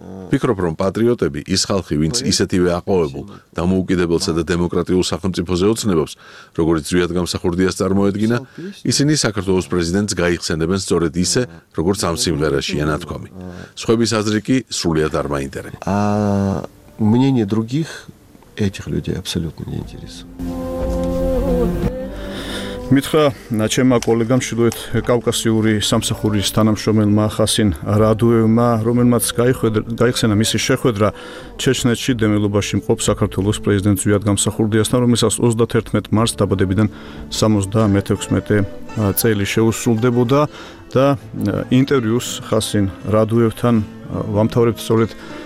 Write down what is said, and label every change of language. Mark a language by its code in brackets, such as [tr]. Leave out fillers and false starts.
[ka] ფიქრობ რომ პატრიოტები ის ხალხი, ვინც ისეთივე აყვავებულ დამოუკიდებელსა და დემოკრატიულ სახელმწიფოზე ოცნებობს, როგორც ზვიად გამსახურდიას წარმოედგინა, ისინი საქართველოს პრეზიდენტს გაიხსენებენ სწორედ ისე, როგორც ამ სიმღერაში ანათქვამი. სხვების აზრი კი სრულიად არ მაინტერესებს. [ru] А мнение других этих людей абсолютно не интересует. [ka] მითხრა ჩემმა კოლეგამ, ჩრდილოეთ კავკასიური სამსახურის თანამშრომელმა ხასინ რადუევმა, რომელმაც გაიხსენა მისი შეხვედრა ჩეჩნეთში დემილობაში მყოფ საქართველოს პრეზიდენტ ზვიად გამსახურდიასთან, რომელსაც 31 მარტს დაბადებიდან 76 წელი შეუსრულდებოდა, და ინტერვიუს ხასინ რადუევთან ვამთავრებთ სწორედ